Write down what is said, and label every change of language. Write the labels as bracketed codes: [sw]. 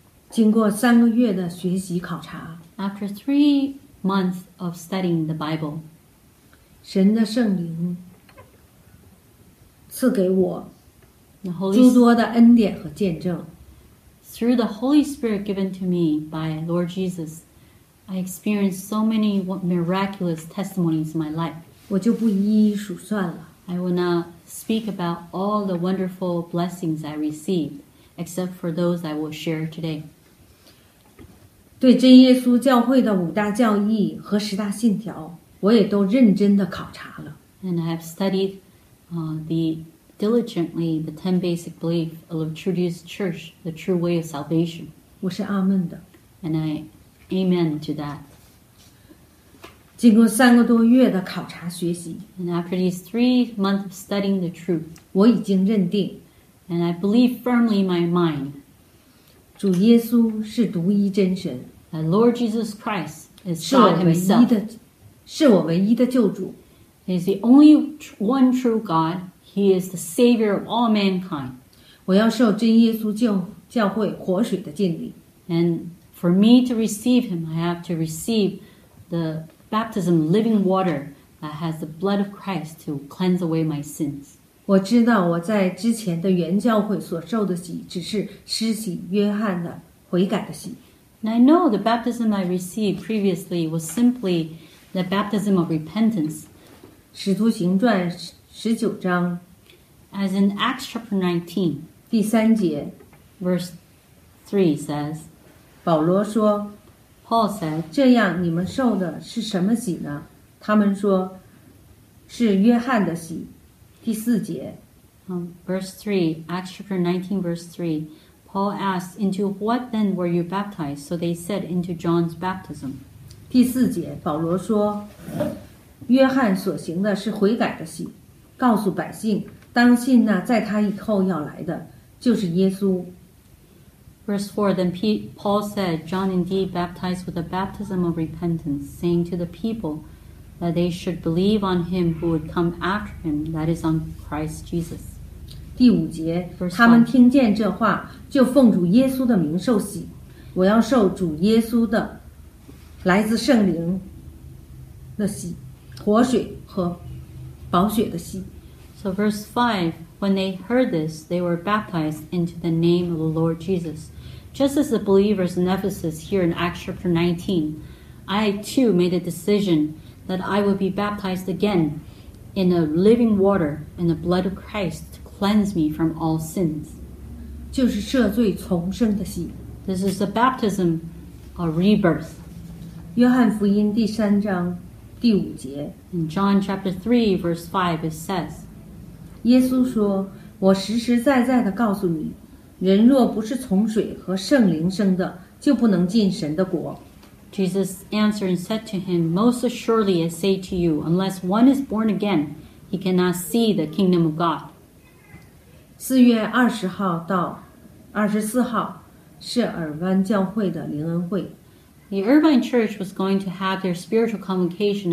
[zh] 经过三个月的学习考察 [en] After 3 months of studying the Bible, [zh] 神的圣灵赐给我诸多的恩典和见证 [en] Through the Holy Spirit given to me by Lord Jesus, I experienced so many miraculous testimonies in my life. [zh] 我就不一一数算了 [en] I will notSpeak about all the wonderful blessings I received, except for those I will share today. [zh] 对真耶稣教会的五大教义和十大信条，我也都认真地考察了。 [en] And I have studied diligently the 10 basic beliefs of the True Jesus Church, the true way of salvation. [zh] 我是阿们的。 [en] And I amen to that. [zh] 经过三个多月的考察学习 [en] And after these 3 months of studying the truth, [zh] 我已经认定 [en] And I believe firmly in my mind, [zh] 主耶稣是独一真神 [en] That Lord Jesus Christ is God himself, [zh] 是我唯一的救主 [en] He is the only one true God, He is the Savior of all mankind. [zh] 我要受真耶稣教教会活水的浸礼。 [en] And for me to receive him, I have to receive the baptism, living water that has the blood of Christ to cleanse away my sins. [zh] 我知道我在之前的原教会所受的洗只是施洗约翰的悔改的洗。 [en] And I know the baptism I received previously was simply the baptism of repentance. [zh] 使徒行传十九章 [en] As in Acts chapter 19, [zh] 第三节 [en] verse 3 says, [zh] 保罗说 [en] Paul said, [zh] 这样你们受的是什么洗呢？他们说是约翰的洗。第四节 [en] Verse 3, Acts chapter 19, verse 3. Paul asked, into what then were you baptized? So they said, into John's baptism. [zh] 第四节，保罗说，约翰所行的是悔改的洗，告诉百姓，当信那在他以后要来的，就是耶稣。 [en] Verse 4, then Paul said, John indeed baptized with a baptism of repentance, saying to the people that they should believe on him who would come after him, that is on Christ Jesus. [zh] 第五节他们听见这话就奉主耶稣的名受洗我要受主耶稣的来自圣灵的洗活水和宝血的洗 [en] So verse 5 When they heard this they were baptized into the name of the Lord Jesus Just as the believers in Ephesus here in Acts chapter 19 I too made a decision that I would be baptized again in the living water in the blood of ChristCleanse me from all sins. [zh] 就是赦罪重生的洗。 [en] This is a baptism, a rebirth. [zh] 约翰福音第三章第五节。 [en] In John chapter 3, verse 5, it says, [zh] 耶稣说，我实实在在地告诉你，人若不是从水和圣灵生的，就不能进神的国。 [en] Jesus answered and said to him, Most assuredly I say to you, unless one is born again, he cannot see the kingdom of God. [zh] 四月二十号到二十四号是尔湾教会的灵恩会。 [en] The Irvine Church was going to have their spiritual convocation.